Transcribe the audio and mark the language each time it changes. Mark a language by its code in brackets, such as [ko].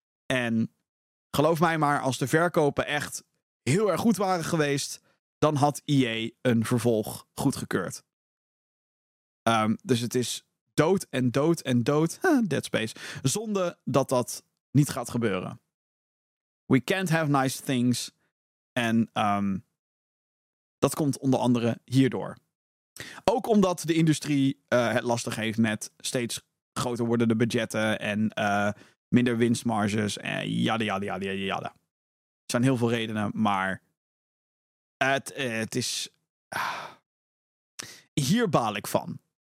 [nl] En geloof mij maar, als de verkopen echt heel erg goed waren geweest, dan had EA een vervolg goedgekeurd. Dus het is dood en dood en dood. Dead Space. Zonde dat dat niet gaat gebeuren. [en] We can't have nice things. [nl] En dat komt onder andere hierdoor. Ook omdat de industrie het lastig heeft met steeds groter wordende budgetten en minder winstmarges. En yada, yada, yada, yada. Er zijn heel veel redenen, maar het is, hier baal ik van.